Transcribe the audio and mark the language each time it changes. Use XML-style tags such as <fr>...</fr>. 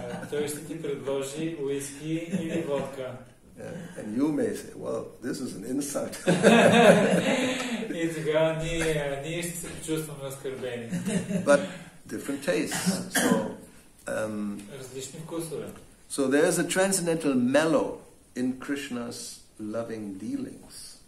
<bg>Той ще ти предложи уиски или водка.</bg> <en>And you may say, well, this is an insult.</en> <bg>И тогава ние ще се почувстваме оскърбени.</bg> <en>But different tastes. So,</en> <bg>различни вкусове.</bg> <en>So there is a transcendental mellow in Krishna's loving dealings.</en>